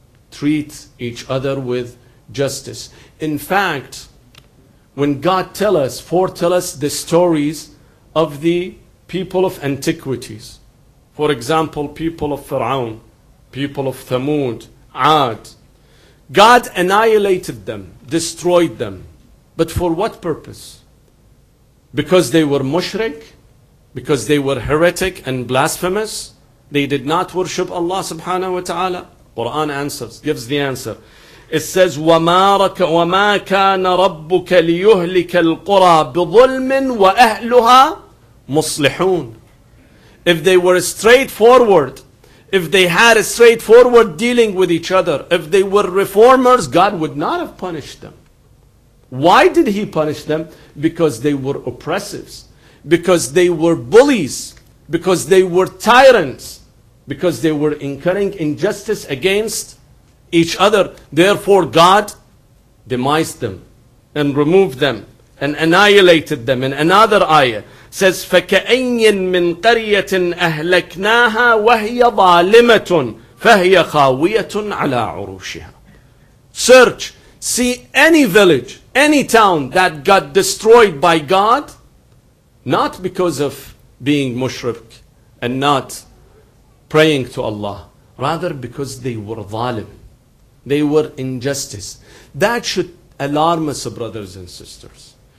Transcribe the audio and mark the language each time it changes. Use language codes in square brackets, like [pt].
[en] Treat each other with justice. In fact, when God foretells us the stories of the people of antiquities, for example, people of Fir'aun, people of Thamud, Ad, God annihilated them, destroyed them. But for what purpose? Because they were mushrik? Because they were heretic and blasphemous? They did not worship Allah subhanahu wa ta'ala? Quran answers, gives the answer. It says, [ar] وَمَا كَانَ رَبُّكَ لِيُهْلِكَ الْقُرَى بِظُلْمٍ وَأَهْلُهَا مصلحون. [en] If they were straightforward, if they had a straightforward dealing with each other, if they were reformers, God would not have punished them. Why did He punish them? Because they were oppressives, because they were bullies, because they were tyrants, because they were incurring injustice against each other. Therefore, God demised them and removed them and annihilated them. In another ayah, says, [ar] فَكَأَيِّن مِّن قَرْيَةٍ أَهْلَكْنَاهَا وَهِيَ ظَالِمَةٌ فَهِيَ خَاوِيَةٌ عَلَىٰ عُرُوشِهَا. Search [en] see any village, any town that got destroyed by God, not because of being mushrik and not praying to Allah, rather because they were zalim. They were injustice. That should alarm us, brothers and sisters.